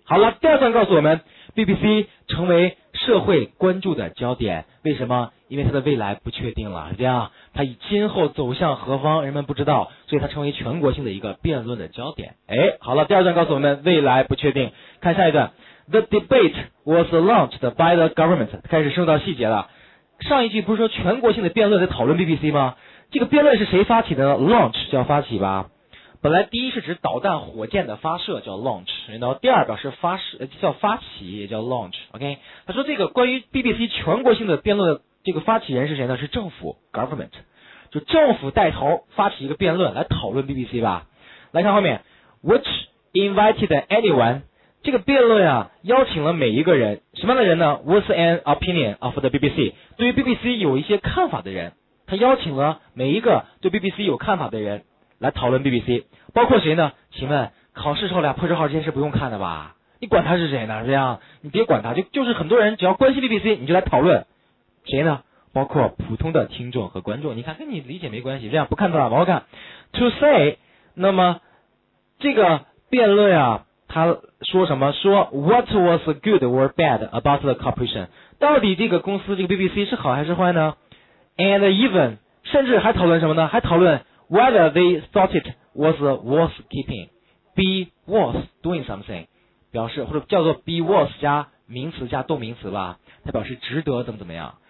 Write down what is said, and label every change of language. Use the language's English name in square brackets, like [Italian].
[Chinese] 好了，第二段告诉我们 BBC 成为社会关注的焦点，为什么？因为它的未来不确定了，是这样，它以今后走向何方人们不知道，所以它成为全国性的一个辩论的焦点。哎，好了，第二段告诉我们未来不确定，看下一段。 [English] The debate was launched by the government， [Chinese] 开始升到细节了。上一句不是说全国性的辩论在讨论 BBC 吗？这个辩论是谁发起的呢？ launch 叫发起吧，本来第一是指导弹火箭的发射叫 launch， 然后第二表示发射叫发起也叫 launch， OK。他说这个关于 BBC 全国性的辩论的这个发起人是谁呢，是政府 government， 就政府带头发起一个辩论来讨论 BBC 吧。来看后面 [English] which invited anyone， [Chinese] 这个辩论啊邀请了每一个人，什么样的人呢？ [English] was an opinion of the BBC， [Chinese] 对于 BBC 有一些看法的人，他邀请了每一个对 BBC 有看法的人来讨论 BBC， 包括谁呢？请问考试时候俩破折号这件事不用看的吧？你管他是谁呢？这样，你别管他，就是很多人只要关心 BBC， 你就来讨论，谁呢？包括普通的听众和观众，你看跟你理解没关系，这样不看的了，往后看。 [English] To say， [Chinese] 那么这个辩论啊，他说什么？ [English] 说 What was good or bad about the corporation？ [Chinese] 到底这个公司这个 BBC 是好还是坏呢？ [English] And even， [Chinese] 甚至还讨论什么呢？还讨论 [English] whether they thought it was worth keeping， be worth doing something， [Chinese] 表示或者叫做 be worth 加名词加动名词吧，它表示值得怎么怎么样。